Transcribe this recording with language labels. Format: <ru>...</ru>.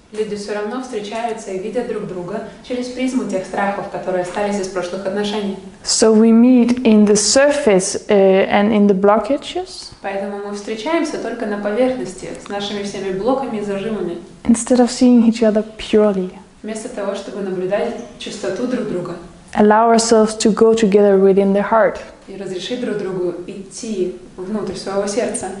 <ru>Люди все равно встречаются и видят друг друга через призму тех страхов, которые остались из прошлых отношений.</ru> <en>So we meet in the surface and in the blockages.</en> <ru>Поэтому мы встречаемся только на поверхности с нашими всеми блоками и зажимами.</ru> <en>Instead of seeing each other purely.</en> <ru>Вместо того, чтобы наблюдать чистоту друг друга.</ru> <en>Allow ourselves to go together within the heart.</en> <ru>И разрешить друг другу идти внутрь своего сердца.</ru>